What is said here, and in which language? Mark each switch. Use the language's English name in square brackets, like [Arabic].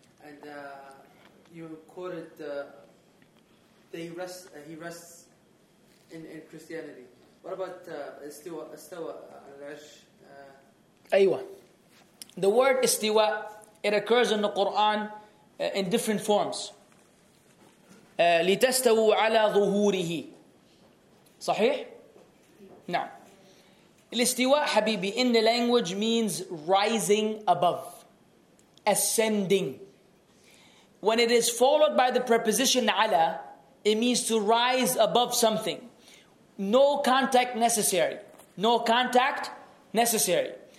[English] And you quoted, he rests in Christianity. What about istiwa al-arsh? [Arabic] Aywa. [English] The word istiwa, it occurs in the Quran in different forms. [Arabic] لِتَسْتَوُوا عَلَى ظُهُورِهِ صحيح؟ نعم. الاستواء حبيبي [English] in the language means rising above, ascending. When it is followed by the preposition عَلَى, it means to rise above something. No contact necessary. No contact necessary.